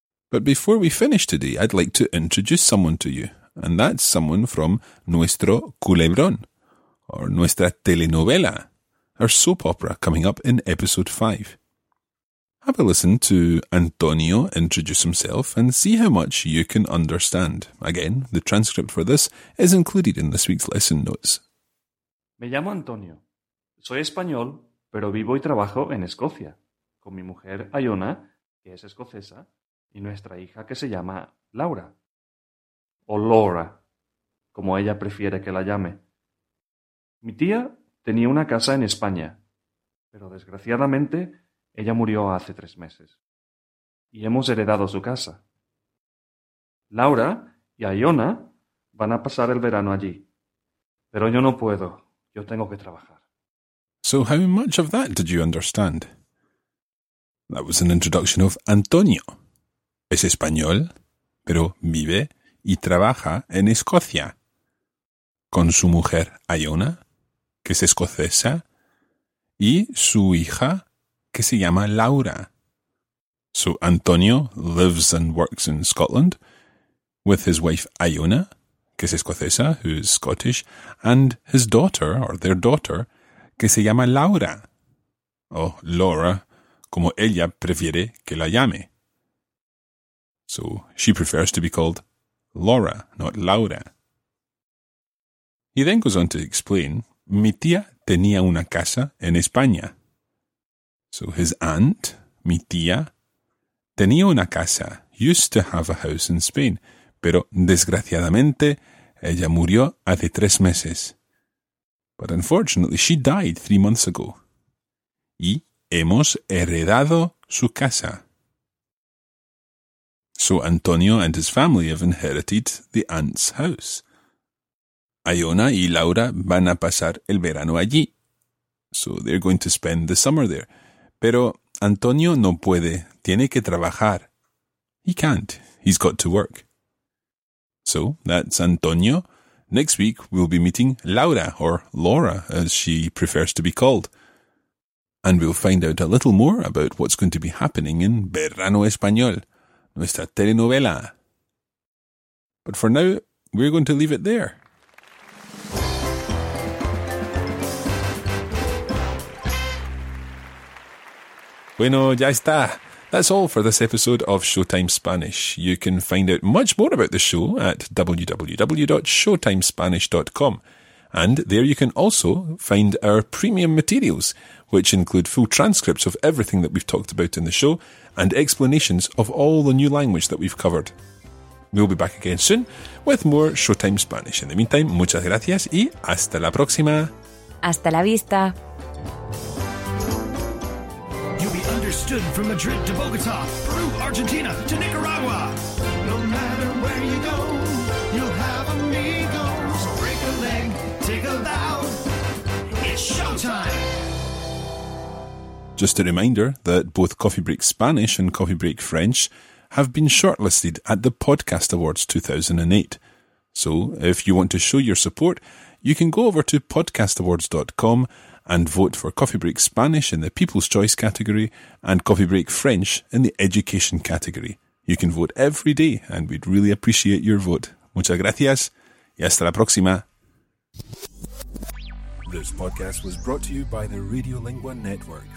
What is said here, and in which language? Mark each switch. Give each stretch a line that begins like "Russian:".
English: But before we finish today, I'd like to introduce someone to you. And that's someone from Nuestro Culebrón, or Nuestra Telenovela, our soap opera coming up in episode 5. Have a listen to Antonio introduce himself and see how much you can understand. Again, the transcript for this is included in this week's lesson notes.
Spanish: Me llamo Antonio. Soy español, pero vivo y trabajo en Escocia, con mi mujer Ayona, que es escocesa, y nuestra hija que se llama Laura. O Laura, como ella prefiere que la llame. Mi tía tenía una casa en España, pero desgraciadamente ella murió hace 3 meses. Y hemos heredado su casa. Laura y Ayona van a pasar el verano allí. Pero yo no puedo, yo tengo que trabajar.
English: So how much of that did you understand? That was an introduction of Antonio.
Spanish: Es español, pero vive y trabaja en Escocia, con su mujer Ayona, que es escocesa, y su hija, que se llama Laura.
English: So Antonio lives and works in Scotland with his wife Ayona,
Spanish: que es escocesa,
English: who is Scottish, and his daughter, or their daughter,
Spanish: que se llama Laura, o Laura, como ella prefiere que la llame.
English: So she prefers to be called Laura, not Laura. He then goes on to explain,
Spanish: mi tía tenía una casa en España.
English: So his aunt,
Spanish: mi tía, tenía una casa,
English: used to have a house in Spain,
Spanish: pero desgraciadamente ella murió hace 3 meses.
English: But unfortunately she died 3 months ago.
Spanish: Y hemos heredado su casa.
English: So Antonio and his family have inherited the aunt's house.
Spanish: Ayona y Laura van a pasar el verano allí.
English: So they're going to spend the summer there.
Spanish: Pero Antonio no puede, tiene que trabajar.
English: He can't, he's got to work. So that's Antonio. Next week we'll be meeting Laura, or Laura as she prefers to be called. And we'll find out a little more about what's going to be happening in Verano Español,
Spanish: nuestra telenovela.
English: But for now, we're going to leave it there.
Spanish: Bueno, ya está.
English: That's all for this episode of Showtime Spanish. You can find out much more about the show at www.showtimespanish.com. And there you can also find our premium materials, which include full transcripts of everything that we've talked about in the show and explanations of all the new language that we've covered. We'll be back again soon with more Showtime Spanish. In the meantime,
Spanish: muchas gracias y hasta la próxima. Hasta la vista.
English: You'll be understood from Madrid to Bogota, Peru, Argentina to Nicaragua. No matter where you go, you'll have amigos. Break a leg, take a bow. It's Showtime. Just a reminder that both Coffee Break Spanish and Coffee Break French have been shortlisted at the Podcast Awards 2008. So if you want to show your support, you can go over to podcastawards.com and vote for Coffee Break Spanish in the People's Choice category and Coffee Break French in the Education category. You can vote every day and we'd really appreciate your vote.
Spanish: Muchas gracias y hasta la próxima.
English: This podcast was brought to you by the Radiolingua Network.